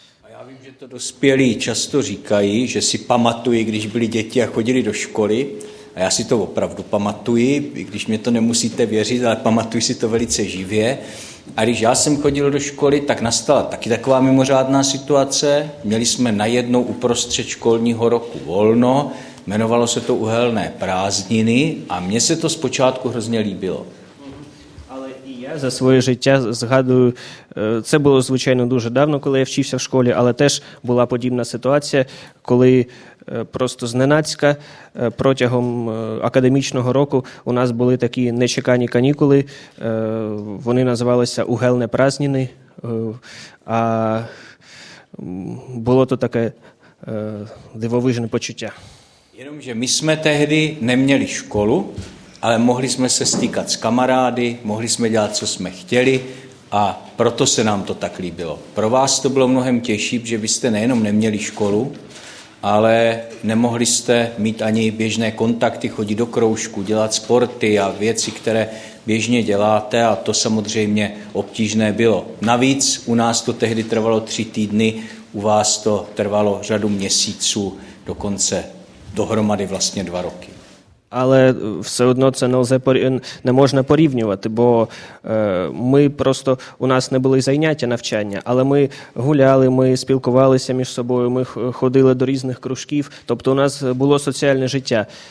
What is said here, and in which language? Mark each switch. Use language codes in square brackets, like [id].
[cs] Я вім, що то доспілі часто říkají, що si pamatují, když byli děti a chodili до школи. A já si to opravdu pamatuji, i když mě to nemusíte věřit, ale pamatuji si to velice živě. A když já jsem chodil do školy, tak nastala taky taková mimořádná situace. Měli jsme najednou uprostřed školního roku volno, jmenovalo se to uhelné prázdniny a mně se to zpočátku hrozně líbilo. [uk] За своє життя згадую, це було, звичайно, дуже давно, коли я вчився в школі, але теж була подібна ситуація, коли просто зненацька протягом академічного року у нас були такі нечекані канікули, вони називалися «Угельні праздніни», а було то таке дивовижне почуття. [cs] Jenomže ми jsme tehdy neměli školu, ale mohli jsme se stýkat s kamarády, mohli jsme dělat, co jsme chtěli a proto se nám to tak líbilo. Pro vás to bylo mnohem těžší, protože vy jste nejenom neměli školu, ale nemohli jste mít ani běžné kontakty, chodit do kroužku, dělat sporty a věci, které běžně děláte a to samozřejmě obtížné bylo. Navíc u nás to tehdy trvalo 3 týdny, u vás to trvalo řadu měsíců, dokonce dohromady vlastně 2 roky. [uk] Але все одно це не можна порівнювати, бо ми просто, у нас не були заняття навчання, але ми гуляли, ми спілкувалися між собою, ми ходили до різних кружків, тобто у нас було соціальне життя.